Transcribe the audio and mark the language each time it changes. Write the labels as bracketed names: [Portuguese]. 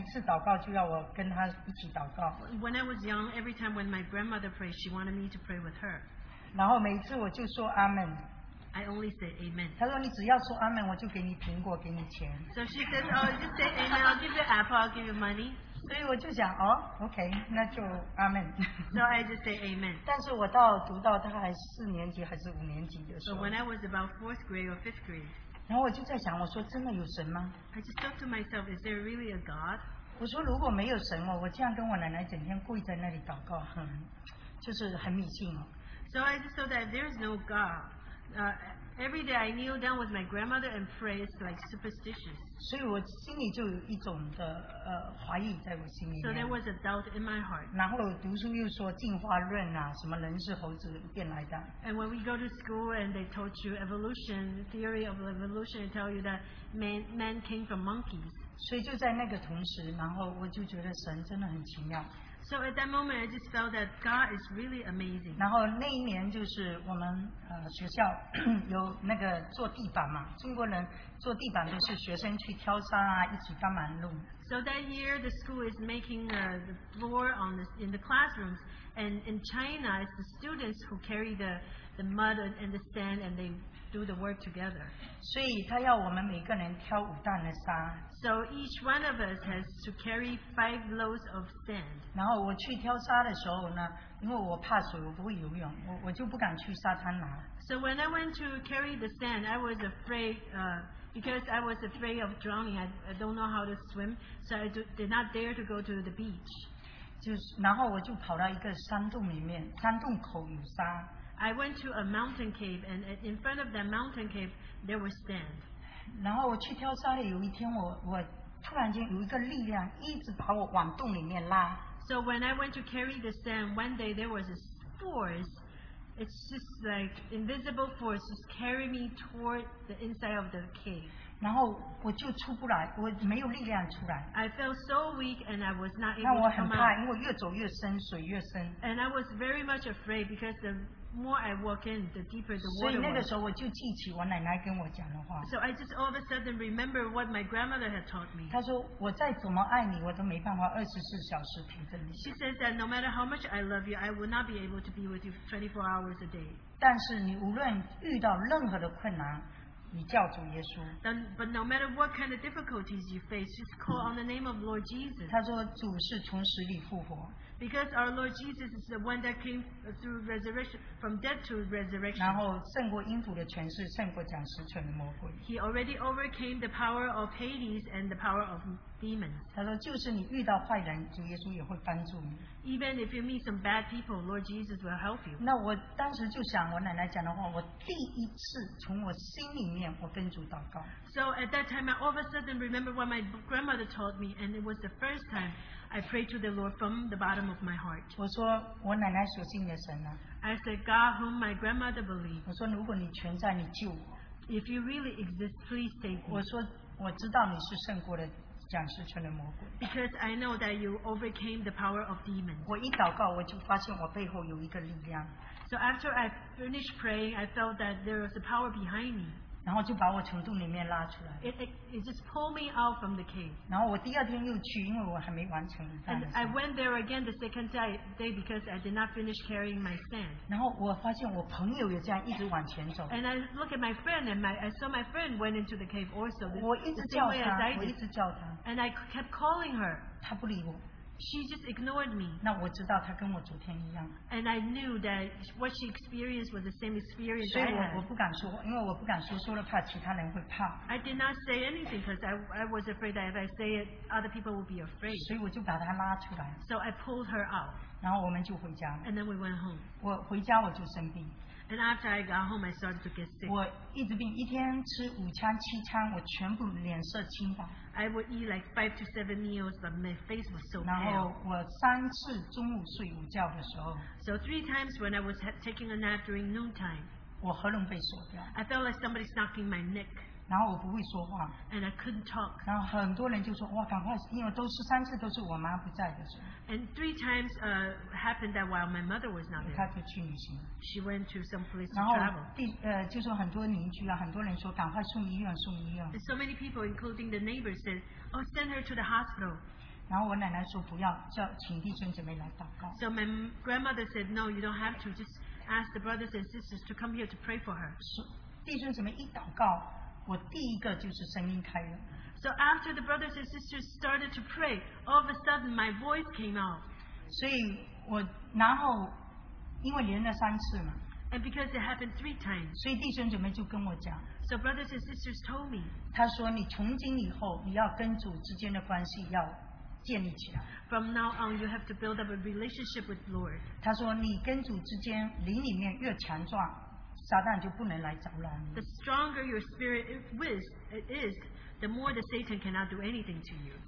[Chinese] 然后小时候奶奶每一次祷告就要我跟她一起祷告。 [English] When I was young, every time when my grandmother prayed, she wanted me to pray with her. [Chinese] 然后每一次我就说阿们。 [English] I only say amen. [Chinese] 她说你只要说amen, 我就给你苹果给你钱。 [English] So she says, oh, just say amen, I'll give you apple, I'll give you money. [Chinese] 所以我就想，哦，OK，那就amen. [English] So I just say amen. [Chinese] 但是我到读到大概四年级还是五年级的时候。 [English] So when I was about fourth grade or fifth grade. [Chinese] 然后我就在想，我说真的有神吗 [English] ？I just thought to myself, is there really a God? [Chinese] 我说如果没有神哦，我这样跟我奶奶整天跪在那里祷告，很就是很迷信哦。 [English] So I just thought that there is no God. Every day I kneel down with my grandmother and pray, it's like superstitious. [Chinese] 所以我心里就有一种的怀疑在我心里面。 [English] So there was a doubt in my heart. [Chinese] 然后我读书又说进化论啊，什么人是猴子变来的。 [English] And when we go to school and they taught you evolution, theory of evolution, they tell you that man came from monkeys. [Chinese] 所以就在那个同时，然后我就觉得神真的很奇妙。 [English] So at that moment, I just felt that God is really amazing. [Chinese] 然后那一年就是我们学校有那个做地板嘛，中国人做地板都是学生去挑沙啊，一起翻满路。 [English] So that year, the school is making the floor on the in the classrooms, and in China, it's the students who carry the mud and the sand, and they do the work together. [Chinese] 所以他要我们每个人挑五担的沙。 [English] So each one of us has to carry 5 loads of sand. [Chinese] 然后我去挑沙的时候呢，因为我怕水，我不会游泳，我就不敢去沙滩拿。 [English] So when I went to carry the sand, I was afraid, because I was afraid of drowning. I don't know how to swim, so I did not dare to go to the beach. [Chinese] 就是，然后我就跑到一个山洞里面，山洞口有沙。 [English] I went to a mountain cave, and in front of that mountain cave, there was sand. [Chinese] 然后我去挑沙的，有一天我突然间有一个力量一直把我往洞里面拉。 [English] So when I went to carry the sand, one day there was a force. It's just like invisible force just carry me toward the inside of the cave. [Chinese] 然后我就出不来，我没有力量出来。 [English] I felt so weak and I was not able to come out. [Chinese] 那我很怕，因为越走越深，水越深。 [English] And I was very much afraid because the more I walk in, the deeper the water. [Chinese] 所以那个时候我就记起我奶奶跟我讲的话。 [English] So I just all of a sudden remember what my grandmother had taught me. [Chinese] 她说我再怎么爱你，我都没办法二十四小时陪着你。 [English] She says that no matter how much I love you, I will not be able to be with you 24 hours a day. [Chinese] 但是你无论遇到任何的困难，你叫主耶稣。 [English] But no matter what kind of difficulties you face, just call on the name of Lord Jesus. [Chinese] 她说主是从死里复活。 [English] Because our Lord Jesus is the one that came through resurrection, from death to resurrection. He already overcame the power of Hades and the power of demons. Even if you meet some bad people, Lord Jesus will help you. [Chinese] 那我当时就想我奶奶讲的话，我第一次从我心里面我跟主祷告。 [English] So at that time, I all of a sudden remember what my grandmother told me, and it was the first time I prayed to the Lord from the bottom of my heart. [Chinese] 我说我奶奶所信的神呢、 [English] 啊、？I said, God whom my grandmother believed. [Chinese] 我说如果你存在，你救我。 [English] If you really exist, please save me. [Chinese] 我说我知道你是胜过的。讲是全的魔鬼。 [English] Because I know that you overcame the power of demons. [Chinese] 我一祷告，我就发现我背后有一个力量。 [English] So after I finished praying, I felt that there was a power behind me. [Chinese] 然后就把我从洞里面拉出来。 [English] It just pulled me out from the cave. [Chinese] 然后我第二天又去，因为我还没完成。 [English] And I went there again the second day because I did not finish carrying my sand. [Chinese] 然后我发现我朋友也这样一直往前走。 [English] And I look at my friend and I saw my friend went into the cave also. [Chinese] 我一直叫他，我一直叫他。 [English] And I kept calling her. [Chinese] 她不理我。 [English] She just ignored me. [Chinese] 那我知道她跟我昨天一样。 [English] And I knew that what she experienced was the same experience. [Chinese] 所以我不敢说，因为我不敢说，说了怕其他人会怕。 [English] I did not say anything because I was afraid that if I say it, other people would be afraid. [Chinese] 所以我就把她拉出来。 [English] So I pulled her out. [Chinese] 然后我们就回家。 [English] And then we went home. [Chinese] 我回家我就生病。 [English] And after I got home, I started to get sick. [Chinese] 我一直病，一天吃五餐七餐，我全部脸色青黄。 [English] I would eat like 5 to 7 meals, but my face was so pale. [Chinese] 然后我三次中午睡午觉的时候。 [English] So 3 times when I was taking a nap during noontime. [Chinese] 我喉咙被锁掉。 [English] I felt like somebody's knocking my neck. [Chinese] 然后我不会说话。 [English] And I couldn't talk. [Chinese] 然后很多人就说哇，赶快，因为都是三次都是我妈不在的时候。 [English] And 3 times happened that while my mother was not there. [Chinese] 她就去旅行。 [English] She went to some place to travel. [Chinese] 然后就说很多邻居啊，很多人说赶快送医院，送医院。 [English] And so many people, including the neighbors, said, "Oh, send her to the hospital." [Chinese] 然后我奶奶说不要，叫请弟兄姐妹来祷告。 [English] So my grandmother said, "No, you don't have to. Just ask the brothers and sisters to come here to pray for her." [Chinese] 弟兄姐妹一祷告，我第一个就是声音开了。 [English] So after the brothers and sisters started to pray, all of a sudden my voice came out. [Chinese] 所以我然后。因为连了三次嘛 [English] And because it happened three times, [Chinese] 所以弟兄姊妹就跟我讲, [English] so brothers and sisters told me, [Chinese] 他说, 你从今以后, 你要跟主之间的关系要 [English] From now on, you have to build up a relationship with Lord. [Chinese] 他说你跟主之间灵里面越强壮，撒旦就不能来找你。 [English] The stronger your spirit is, the more the Satan cannot do anything to you.